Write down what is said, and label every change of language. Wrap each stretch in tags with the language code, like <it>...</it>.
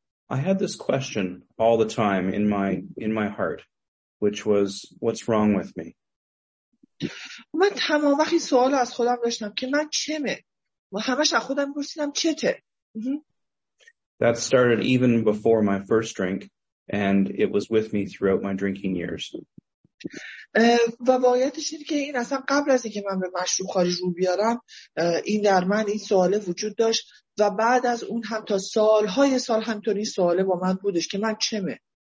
<en>I had this question all the time in my heart, which was, what's wrong with me?</en> <fa>من تمام وقتی سوال از خودم داشتم که من چمه، و همش از خودم پرسیدم چته.</fa> <en>That started even before my first drink, and it was with me throughout my drinking years.</en> <fa>و واقعیتش اینه که این اصلا قبل از اینکه من به مشروب خارج رو بیارم، این در من این سوال وجود داشت، و بعد از اون هم تا سالهای سال همطور این سوال با من بودش که من چمه.</fa>